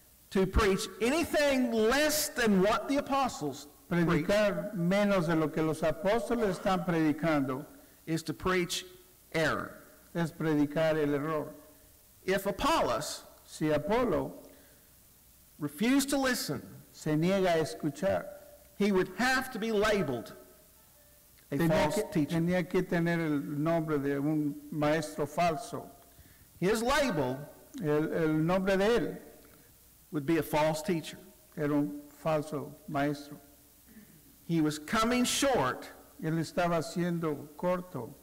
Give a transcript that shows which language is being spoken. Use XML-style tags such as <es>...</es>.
<en>To preach anything less than what the apostles</en> <es>predicar menos de lo que los apóstoles están predicando</es> <en>is to preach error.</en> <es>Es predicar el error.</es> <en>If Apollos,</en> <es>si Apolo</es> <en>refused to listen,</en> <es>se niega a escuchar,</es> <en>he would have to be labeled a false teacher.</en> <es>Tenía que tener el nombre de un maestro falso.</es> <en>His label,</en> <es>el nombre de él,</es> <en>would be a false teacher.</en> <es>Era un falso maestro.</es> <en>He was coming short.</en> <es>Él estaba siendo corto</es>